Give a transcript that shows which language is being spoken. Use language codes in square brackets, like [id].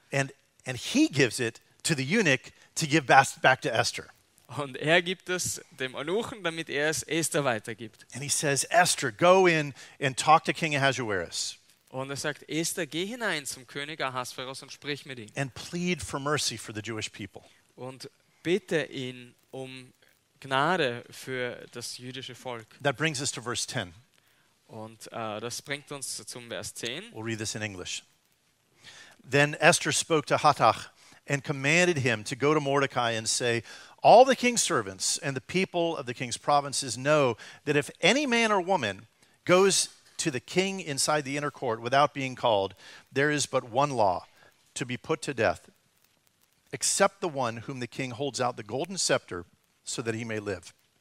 [en] And he gives it to the eunuch to give back to Esther. [de] Und er gibt es dem Eunuchen, damit er es Esther weitergibt. [en] And he says, Esther, go in and talk to King Ahasuerus. [de] Und er sagt, Esther, geh hinein zum König Ahasuerus und sprich mit ihm. [en] And plead for mercy for the Jewish people. [de] Und bitte ihn um Gnade für das jüdische Volk. [en] That brings us to verse 10. [de] Und das bringt uns zum Vers 10. [en] We'll read this in English. Then Esther spoke to Hathach and commanded him to go to Mordecai and say, all the king's servants and the people of the king's provinces know that if any man or woman goes to the king inside the inner court without being called, there is but one law, to be put to death, except the one whom the king holds out the golden scepter so that he may live.